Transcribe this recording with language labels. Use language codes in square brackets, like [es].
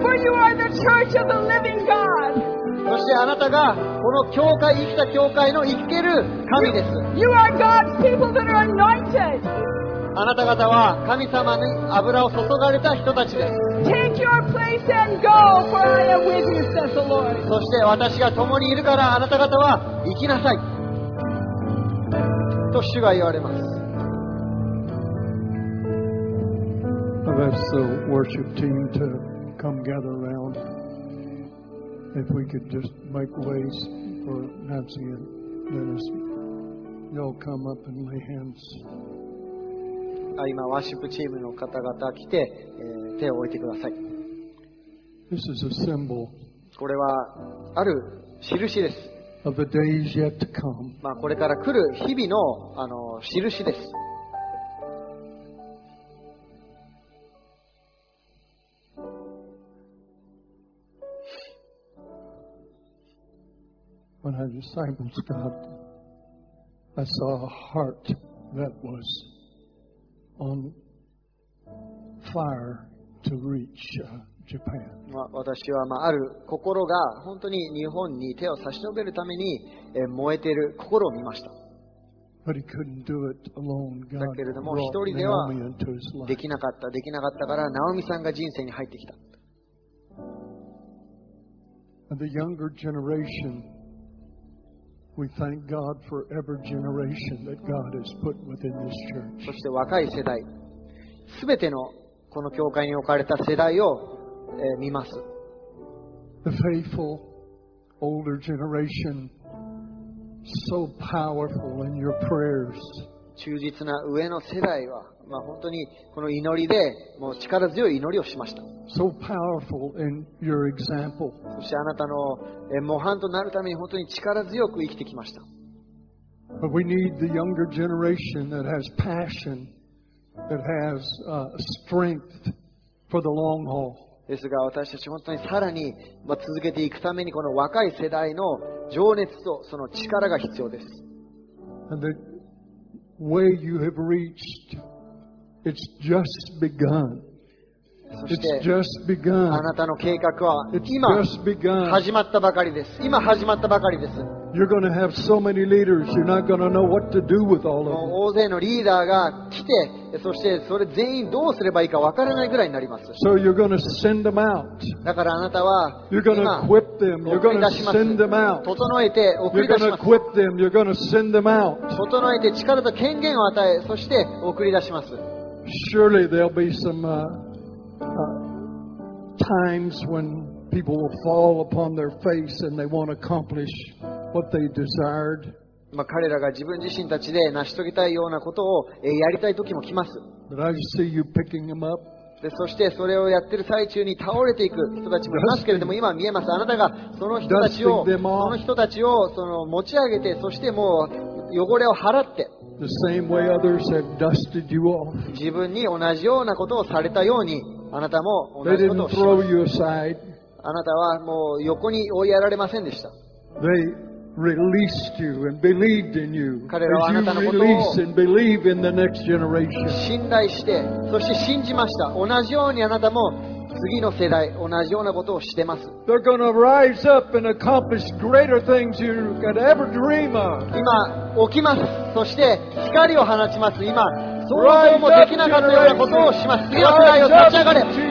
[en] For you are the church of the living God. [ja] そしてあなたがこの教会生きた教会の生ける神です。 [en] You are God's people that are anointed. [ja] あなた方は神様に油を注がれた人たちです。 [en] Take your place and go, for I am with you, says the Lord. [ja] そして私が共にいるからあなた方は行きなさい。と主が言われます。 [en] I've asked the worship team to come gather around. If we could just make ways for Nancy and Dennis, they'll come up and lay hands. [ja] 今ワーシップチームの方々来て、手を置いてください。 [en] This is a symbol. [ja] これはある印です。 [en] Of the days yet to come. [ja] まあこれから来る日々の印です。 [en] When I discipled God, I saw a heart that was on fire to reach Japan. [ja] 私は、まあ、ある心が本当に日本に手を差し伸べるために、燃えている心を見ました。 [en] But he couldn't do it alone. God [ja] だけれども一人ではできなかった、できなかったから、ナオミさんが人生に入ってきた。 [en] And the younger generation. We thank God for every generation that God has put within this church. [ja] そして若い世代、すべてのこの教会に置かれた世代を、見ます。 [en] The faithful older generation, so powerful in your prayers. [ja] 忠実な上の世代は、まあ、本当にこの祈りでもう力強い祈りをしました。 [en] So powerful in your example. [ja] そしてあなたの模範となるために本当に力強く生きてきました。 [en] But we need the younger generation that has passion, that has strength for the long haul. [ja] ですが私たち本当にさらに続けていくためにこの若い世代の情熱とその力が必要です。 [en] And the way you have reached, it's just begun. [ja] そしてあなたの計画は今始まったばかりです。今始まったばかりです。 [en] You're going to have so many leaders, you're not going to know what to do with all of them. [ja] 大勢のリーダーが来て、そしてそれ全員どうすればいいかわからないぐらいになります。 [en] So you're going to send them out. [ja] だからあなたは今 [en] equip them. You're going to send them out. [ja] 整えて送り出します。 [en] You're going to equip them. You're going to send them out. [ja] 整えて力と権限を与え、そして送り出します。 [en] Surely there'll be some. Times when people will fall upon their face and they won't accomplish what they desired. [ja] まあ彼らが自分自身たちで成し遂げたいようなことをやりたい時も来ます。 [en] But I see you picking them up. [ja] でそしてそれをやってる最中に倒れていく人たちもいますけれども今見えます。あなたがその人たちをその人たちをその持ち上げてそしてもう汚れを払って。 [en] The same way others have dusted you off. [ja] 自分に同じようなことをされたように。あなたも同じことをしました。あなたはもう横に追いやられませんでした。 [en] They released you and believed in you. [ja] 彼らはあなたのことを [en] release and believe in the next generation. [ja] 信頼してそして信じました。同じようにあなたも次の世代同じようなことをしてます。 [en] They're going to rise up and accomplish greater things you could ever dream of. [ja] 今起きます。そして光を放ちます。今想像もできなかったようなことをします。次の世代を立ち上がれ。